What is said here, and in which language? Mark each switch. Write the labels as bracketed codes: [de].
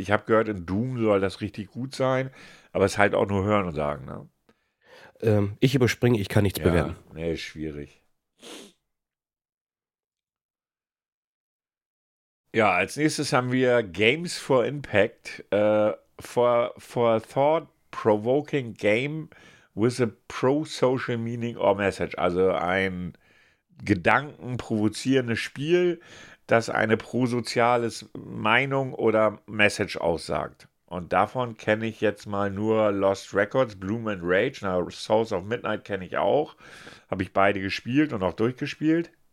[de] Ich habe gehört, in Doom soll das richtig gut sein. Aber es halt auch nur hören und sagen, ne? Ich überspringe, ich kann nichts bewerten. Ja, nee, ist schwierig. Ja, als nächstes haben wir Games for Impact. [en] For thought-provoking game with a pro-social meaning or message. [de] Also ein gedankenprovozierendes Spiel, das eine prosoziales Meinung oder Message aussagt. Und davon kenne ich jetzt mal nur Lost Records, Bloom and Rage. Na, Souls of Midnight kenne ich auch. Habe ich beide gespielt und auch durchgespielt.